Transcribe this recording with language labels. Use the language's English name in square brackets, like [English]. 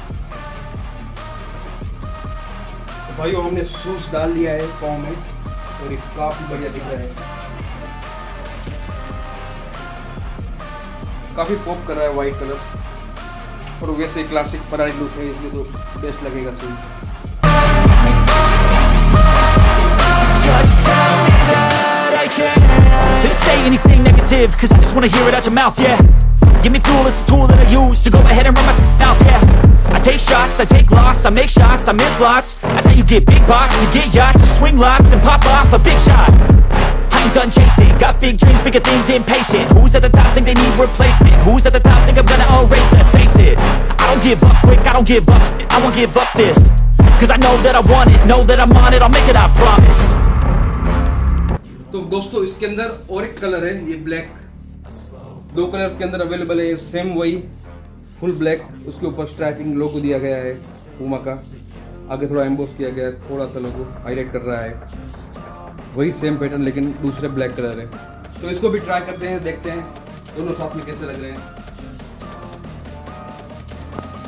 [Hindi] तो भाई हमने शूज डाल लिया है फॉर्म में और ये काफी बढ़िया दिख रहा है, काफी पॉप कर रहा है वाइट कलर, और वैसे क्लासिक फरारी लुक है इसलिए तो बेस्ट लगेगा सुन। [English] Anything negative cuz I just want to hear it out your mouth, yeah. Give me fuel, it's a tool that I use to go ahead and run my mouth, yeah. I take shots, I take loss, I make shots, I miss lots. I tell you get big box, you get yachts, you swing lots and pop off a big shot. Done chasing, got big dreams, bigger things, impatient. Who's at the top think they need replacement? Who's at the top think I'm gonna erase them? Face it, I don't give up quick, I don't give up, I won't give up this. Cause I know that I want it, know that I'm on it, I'll make it, I promise. [Hindi] तो दोस्तों इसके अंदर और एक colour है, ये black, दो colour के अंदर अवेलेबल है, सेम वही फुल ब्लैक, उसके ऊपर स्ट्राइपिंग लोगो दिया गया है पूमा का, आगे थोड़ा एम्बोस किया गया है, थोड़ा सा लोगो हाईलाइट कर रहा है। वही सेम पैटर्न लेकिन दूसरे ब्लैक कलर है, तो इसको भी ट्राई करते हैं, देखते हैं दोनों साथ में कैसे लग रहे हैं।